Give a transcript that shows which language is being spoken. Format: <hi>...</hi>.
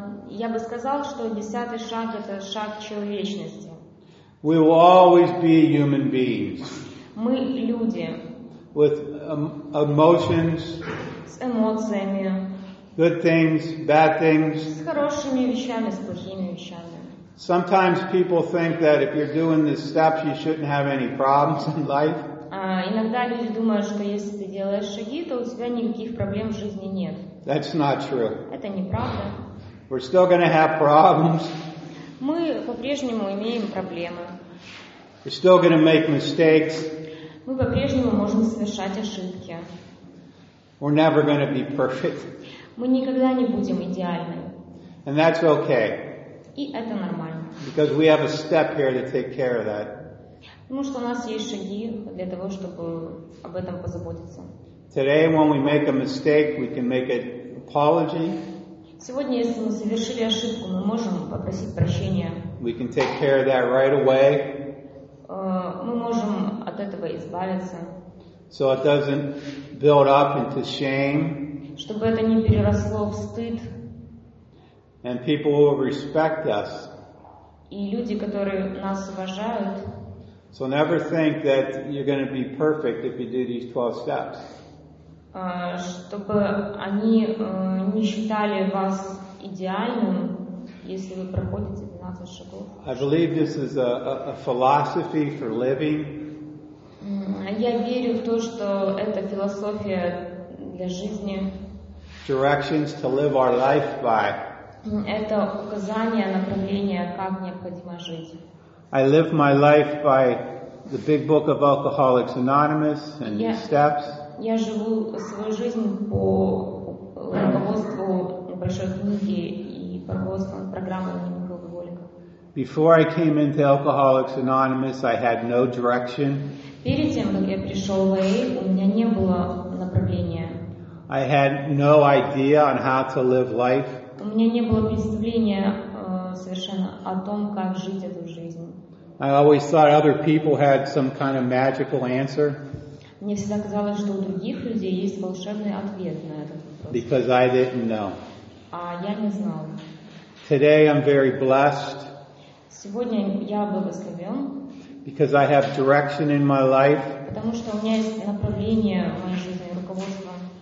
<ru>Я бы сказал, что десятый шаг — это шаг человечности.</ru> <en>We will always be human beings.</en> <ru>Мы — люди.</ru> <en>With emotions.</en> <ru>С эмоциями.</ru> <en>Good things, bad things.</en> <ru>С хорошими вещами, с плохими вещами.</ru> <en>Sometimes people think that if you're doing these steps, you shouldn't have any problems in life.</en> <ru>Иногда люди думают, что если ты делаешь шаги, то у тебя никаких проблем в жизни нет.</ru> <en>That's not true.</en> <ru>Это неправда.</ru> <en>We're still going to have problems.</en> <ru>Мы по-прежнему имеем проблемы.</ru> <en>We're still going to make mistakes.</en> <ru>Мы по-прежнему можем совершать ошибки.</ru> <en>We're never going to be perfect.</en> <ru>Мы никогда не будем идеальны.</ru> <en>And that's okay.</en> <ru>И это нормально.</ru> <en>Because we have a step here to take care of that.</en> <ru>Потому что у нас есть шаги для того, чтобы об этом позаботиться.</ru> <en>Today, when we make a mistake, we can make an apology.</en> <ru>Сегодня, если мы совершили ошибку, мы можем попросить прощения.</ru> <en>We can take care of that right away.</en> <ru>Мы можем от этого избавиться.</ru> <en>So it doesn't build up into shame.</en> <ru>Чтобы это не переросло в стыд.</ru> <en>And people will respect us.</en> <ru>И люди, которые нас уважают.</ru> <en>So never think that you're going to be perfect if you do these 12 steps.</en> <ru>Чтобы они не считали вас идеальным, если вы проходите 12 шагов.</ru> <en>I believe this is a philosophy for living.</en> <ru>Я верю в то, что это философия для жизни.</ru> <en>Directions to live our life by.</en> <ru>Это указание, направление, как необходимо жить.</ru> <en>I live my life by the big book of Alcoholics Anonymous and the steps.</en> <ru>Я живу свою жизнь по руководству большой книги и по руководству программы анонимных алкоголиков.</ru> <en>Before I came into Alcoholics Anonymous, I had no direction.</en> <ru>Перед тем, как я пришел в АА, у меня не было направления.</ru> <en>I had no idea on how to live life.</en> <ru>У меня не было представления совершенно о том, как жить эту жизнь.</ru> <en>I always thought other people had some kind of magical answer.</en> <ru>Мне всегда казалось, что у других людей есть волшебный ответ на этот вопрос.</ru> <en>Because I didn't know.</en> <ru>А я не знал.</ru> <en>Today I'm very blessed.</en> <ru>Сегодня я благословен.</ru> <en>Because I have direction in my life.</en> <ru>Потому что у меня есть направление в моей жизни, руководство.</ru>